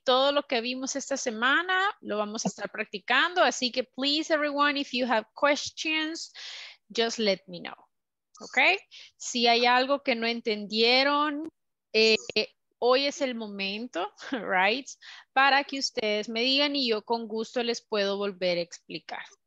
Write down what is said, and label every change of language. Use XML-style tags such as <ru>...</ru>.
<es>Todo lo que vimos esta semana lo vamos a estar practicando. Así que</es> <en>please everyone, if you have questions, just let me know.</en> <es>Okay, si hay algo que no entendieron, hoy es el momento, right, para que ustedes me digan y yo con gusto les puedo volver a explicar.</es>